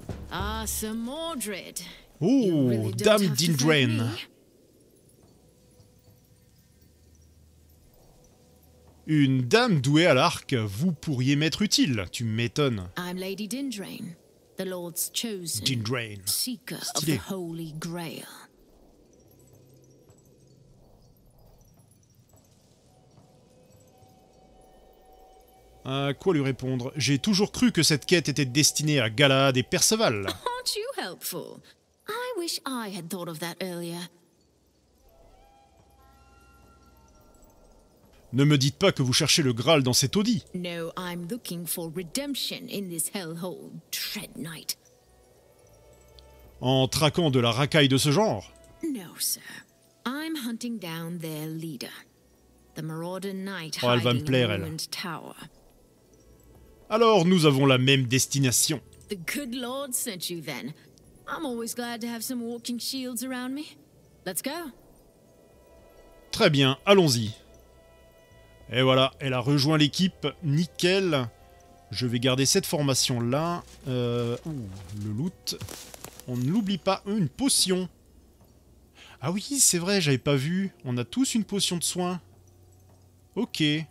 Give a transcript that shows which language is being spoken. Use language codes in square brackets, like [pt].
[fr] Ah, ce Mordred. Oh, Dame Dindrain. Une dame douée à l'arc, vous pourriez m'être utile, tu m'étonnes. [en] I'm Lady Dindrain, the Lord's chosen. Dindrain. Seeker of the Holy Grail. [fr] À quoi lui répondre? J'ai toujours cru que cette quête était destinée à Galahad et Perceval. [en] Aren't you helpful? I wish I had thought of that earlier. [fr] Ne me dites pas que vous cherchez le Graal dans cet Audi. [en] No, I'm looking for redemption in this hellhole, Dread Knight. [fr] En traquant de la racaille de ce genre? [en] No, sir. I'm hunting down their leader, the Marauder Knight. [fr] Oh, elle va me plaire, elle. Alors, nous avons la même destination. [en] The good Lord sent you then. I'm always glad to have some walking shields around me. Let's go. [fr] Très bien, allons-y. Et voilà, elle a rejoint l'équipe. Nickel. Je vais garder cette formation-là. Le loot. On ne l'oublie pas. Une potion. Ah oui, c'est vrai, j'avais pas vu. On a tous une potion de soin. Ok.